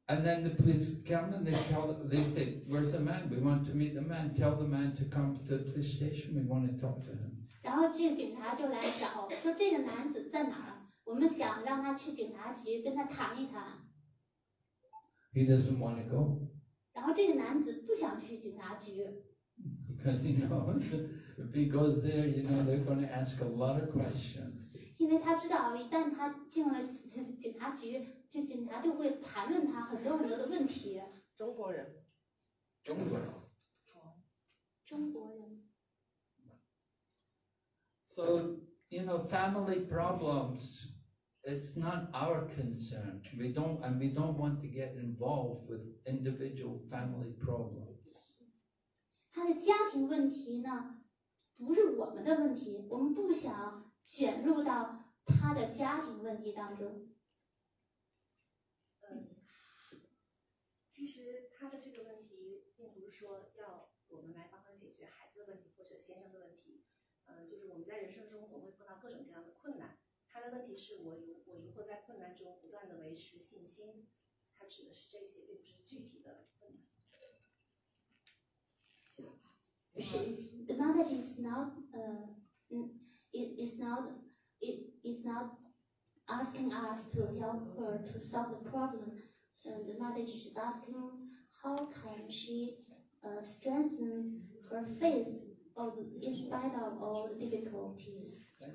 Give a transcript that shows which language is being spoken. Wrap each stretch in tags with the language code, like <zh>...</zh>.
<en>And then the police come and they say, "Where's the man? We want to meet the man. Tell the man to come to the police station. We want to talk to him."</en> <zh>然后这个警察就来找，说这个男子在哪儿。我们想让他去警察局跟他谈一谈。</zh> <en>He doesn't want to go.</en> <zh>然后这个男子不想去警察局。</zh> <en>OK. Because, you know, if he goes there, you know, they're going to ask a lot of questions. So, you know, family problems, it's not our concern. We don't want to get involved with individual family problems.</en> <zh>他的家庭问题呢，不是我们的问题，我们不想卷入到他的家庭问题当中。其实他的这个问题并不是说要我们来帮他解决孩子的问题或者先生的问题，就是我们在人生中总会碰到各种各样的困难。他的问题是我如何在困难中不断的维持信心，他指的是这些，并不是具体的。</zh> <en>The mother is not, it is not asking us to help her to solve the problem. The mother is asking how can she strengthen her faith in spite of all the difficulties.</en>